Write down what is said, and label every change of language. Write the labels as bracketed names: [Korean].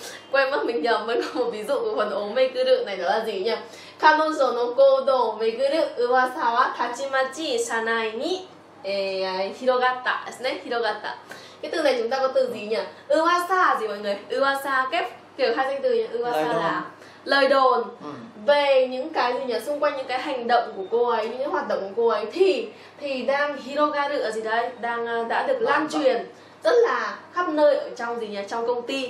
[Vietnamese] Quên mất, mình nhầm, vẫn còn một ví dụ của phần omeguru này, đó là gì nhỉ? [Japanese] 彼女の行動をめぐる噂はたちまち社内に広がったですね。広がった。 [Vietnamese] cái từ này chúng ta có từ gì nhỉ? 噂 gì mọi người? 噂 cái kiểu hai danh từ nhỉ? 噂 là lời đồn về những cái gì nhỉ, xung quanh những cái hành động của cô ấy, những hoạt động của cô ấy thì đang hirogaru ở gì đấy, đang đã được lan truyền rất là khắp nơi ở trong gì nhỉ, trong công ty